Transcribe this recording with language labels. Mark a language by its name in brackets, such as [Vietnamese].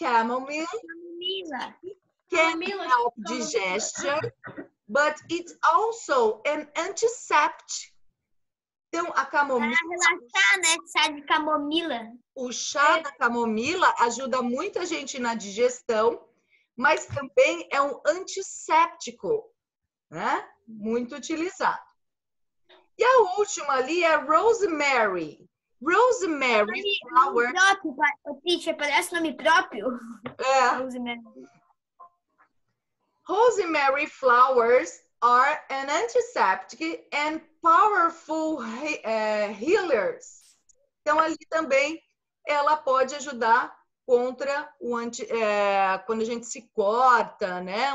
[English] Chamomile can help digestion, but it's also an antiseptic. [Portuguese] Então, a camomila... Para relaxar, né? Chá de camomila. O chá da camomila ajuda muito a gente na digestão, mas também é um antisséptico, né? Muito utilizado. E a última ali é rosemary. Rosemary flower... Nome próprio, Patrícia, parece nome próprio. É. [English] Rosemary flowers are an antiseptic and powerful healers. [Portuguese] Então, ali também, ela pode ajudar contra o quando a gente se corta, né?